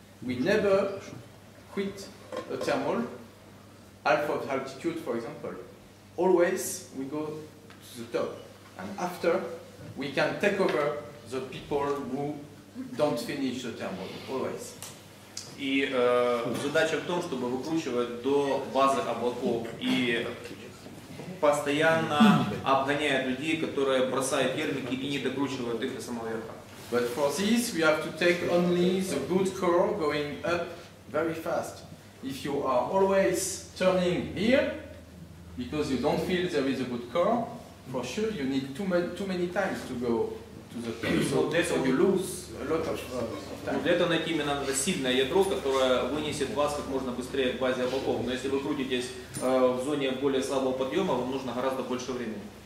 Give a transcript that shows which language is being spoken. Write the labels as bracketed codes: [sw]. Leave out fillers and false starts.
[en] We never quit a thermal half of altitude, for example. Always we go to the top. And after, we can take over the people who don't finish the thermal, always. [ru] И задача в том, чтобы выкручивать до базы облаков и постоянно обгоняет людей, которые бросают термики и не докручивают их до самого верха. [en] But for this we have to take only the good curve going up very fast. If you are always turning here, because you don't feel there is a good curve, for sure you need too many times to go to the top. So therefore you lose. [ru] Для этого найти именно надо сильное ядро, которое вынесет вас как можно быстрее к базе облаков. Но если вы крутитесь в зоне более слабого подъема, вам нужно гораздо больше времени.